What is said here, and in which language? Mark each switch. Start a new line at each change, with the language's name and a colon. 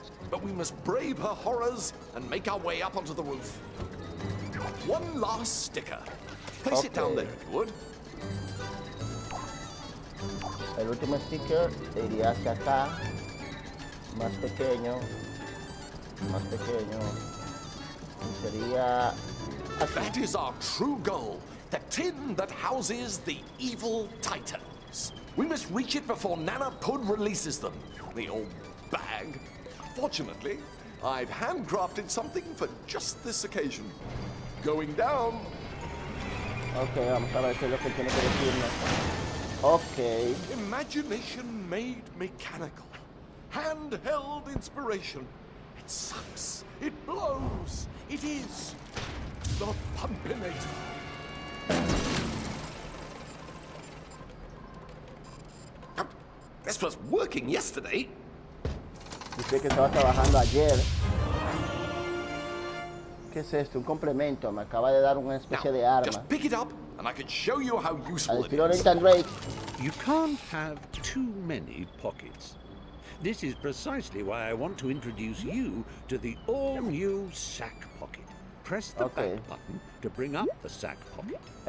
English: But we must brave her horrors and make our way up onto the roof. One last sticker. Place okay. it down there if you would.
Spanish: El último sticker iría hacia acá. Más pequeño. Más pequeño. Y sería así.
English: That is our true goal. The tin that houses the evil titans. We must reach it before Nana Pud releases them. The old bag. Fortunately, I've handcrafted something for just this occasion. Going down.
Spanish: Okay, vamos a ver qué es lo que tiene que decirnos. Okay.
English: Imagination made mechanical. Handheld inspiration. It sucks. It blows. It is the Pumpinator. This was working yesterday.
Spanish: Dice que estaba trabajando ayer. ¿Qué es esto? Un complemento. Me acaba de dar una especie de arma.
English: Just pick it up and I can show you how useful.
Spanish: Al estilo Nathan Drake.
English: You can't have too many pockets. This is precisely why I want to introduce you to the all-new sack pocket. Press the back button to bring up the sack pocket.